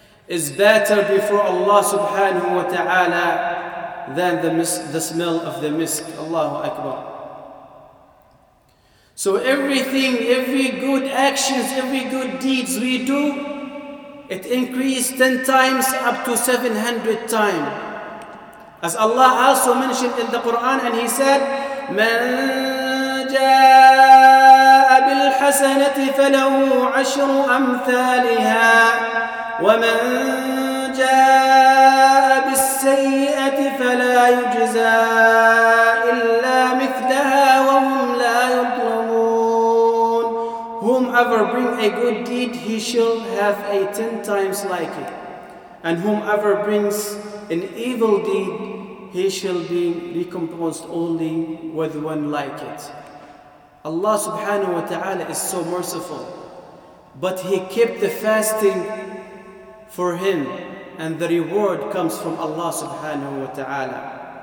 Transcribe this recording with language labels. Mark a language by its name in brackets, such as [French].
[English] is better before Allah subhanahu wa ta'ala than the smell of the misk. Allahu Akbar. So everything, every good actions, every good deeds we do, it increased 10 times up to 700 times. As Allah also mentioned in the Quran, and He said, [Arabic] مَن جَاءَ بِالْحَسَنَةِ فَلَهُ عَشْرُ أَمْثَالِهَا وَمَن جَاءَ بِالسَّيِّئَةِ فَلَا يُجْزَى إِلَّا مِثْلَهَا وَهُمْ لَا يُظْلَمُونَ. [English] Whomever bring a good deed, he shall have a 10 times like it. And whomever brings an evil deed, he shall be recompensed only with one like it. Allah subhanahu wa ta'ala is so merciful. But He kept the fasting for him, and the reward comes from Allah subhanahu wa ta'ala.